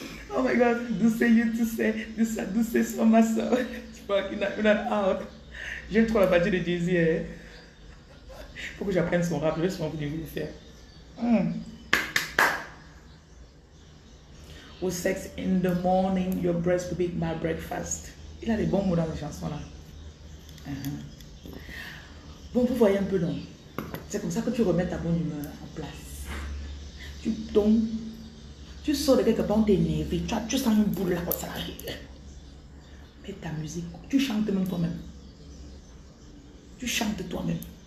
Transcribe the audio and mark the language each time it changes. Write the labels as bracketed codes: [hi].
[en] Oh my God, Douce, you to say, Douce, Douce, [fr] sur ma soeur. Tu vois, [en] in and out. [fr] J'aime trop la partie de Jay-Z. Hein? Faut que j'apprenne son rap, je vais sûrement venir le faire. Mm. [en] With sex in the morning, your breast will be my breakfast. [fr] Il a des bons mots dans les chansons là. Bon, vous voyez un peu, non? C'est comme ça que tu remets ta bonne humeur en place. Tu tombes. Tu sors de quelque part, t'énerve, tu sens une boule là, quand ça arrive. Mets ta musique, tu chantes même toi-même. Tu chantes toi-même.